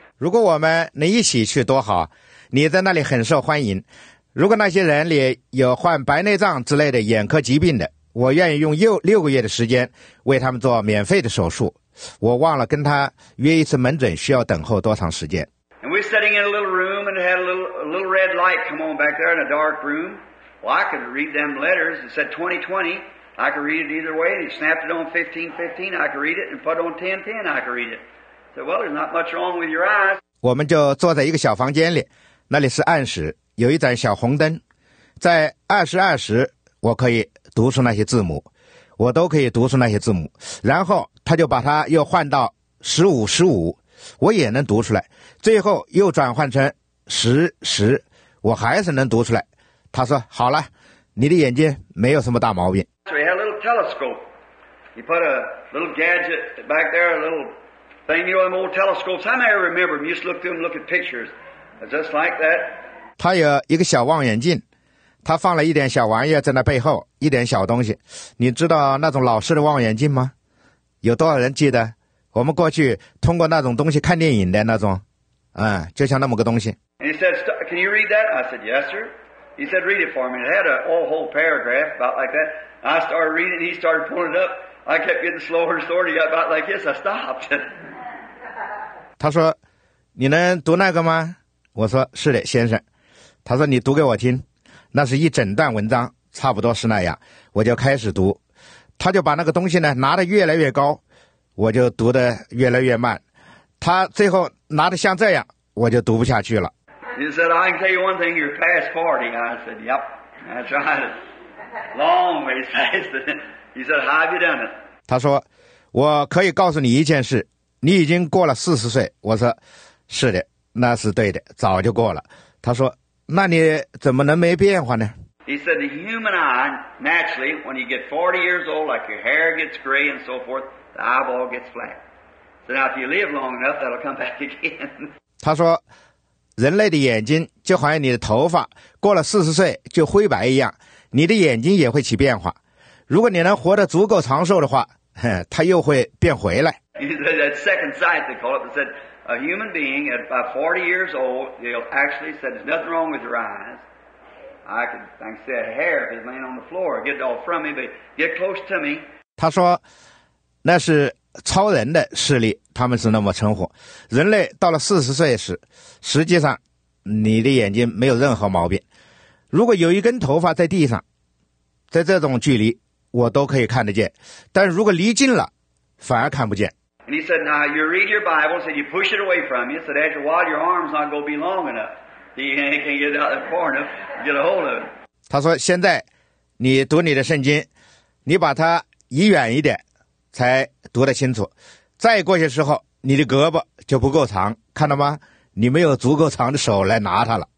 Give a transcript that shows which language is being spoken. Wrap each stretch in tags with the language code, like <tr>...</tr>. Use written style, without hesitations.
<zh>如果我们能一起去多好，你在那里很受欢迎。如果那些人里有患白内障之类的眼科疾病的，我愿意用六个月的时间为他们做免费的手术。我忘了跟他约一次门诊需要等候多长时间。</zh> <en>And we're sitting in a little room and had a little red light come on back there in a dark room. Well, I could read them letters. It said 2020. I could read it either way. And he snapped it on 15:15. I could read it and put it on 10:10. I could read it. So, well, there's not much wrong with your eyes.</en> <zh>我们就坐在一个小房间里，那里是暗室，有一盏小红灯，在22:00，我可以读出那些字母，我都可以读出那些字母。然后他就把它又换到15:15。我也能读出来，最后又转换成10:10，我还是能读出来。他说：“好了，你的眼睛没有什么大毛病。”</zh> <en>He had a little telescope. He put a little gadget back there, a little thing. You know, them old telescopes. How many remember? You used to look through them, look at pictures, just like that.</en> <zh>他有一个小望远镜，他放了一点小玩意在那背后，一点小东西。你知道那种老式的望远镜吗？有多少人记得？我们过去通过那种东西看电影的那种，就像那么个东西。</zh> <en>And he said, "Can you read that?" I said, "Yes, sir." He said, "Read it for me." It had a whole paragraph about like that. I started reading, he started pulling it up. I kept getting slower and slower. He got about like this. I stopped.</en> <zh>他说：“你能读那个吗？” 我说：“是的，先生。” 他说：“你读给我听。” 那是一整段文章，差不多是那样。我就开始读，他就把那个东西呢拿得越来越高。我就读得越来越慢，他最后拿得像这样，我就读不下去了。</zh> <en>He said, "I can tell you one thing. You're past 40." I said, "Yep, I tried it. Long ways past it." He said, "How have you done it?"</en> <zh>他说，我可以告诉你一件事，你已经过了40岁。我说，是的，那是对的，早就过了。他说，那你怎么能没变化呢？</zh> <en>He said, "The human eye, naturally, when you get 40 years old, like your hair gets gray and so forth." The eyeball gets flat. So now, if you live long enough, that'll come back again.</en> <zh>他说，人类的眼睛就好像你的头发，过了40岁就灰白一样，你的眼睛也会起变化。如果你能活得足够长寿的话，它又会变回来。</zh> <en>That second sight, they call it. They said a human being at about 40 years old, they'll actually said there's nothing wrong with your eyes. I could, like I said, hair if it's laying on the floor, get it all from me, but get close to me.</en> <zh>他说。那是超人的视力，他们是那么称呼。人类到了40岁时，实际上你的眼睛没有任何毛病。如果有一根头发在地上，在这种距离我都可以看得见，但如果离近了反而看不见。</zh> <en>And he said, "Now you read your Bible," said, "you push it away from you," said, "after a while your arm's not going to be long enough, you can't get out of far enough to get a hold of it."</en> <zh>他说，现在你读你的圣经，你把它移远一点才读得清楚，再过些时候你的胳膊就不够长，看到吗？你没有足够长的手来拿它了。</zh>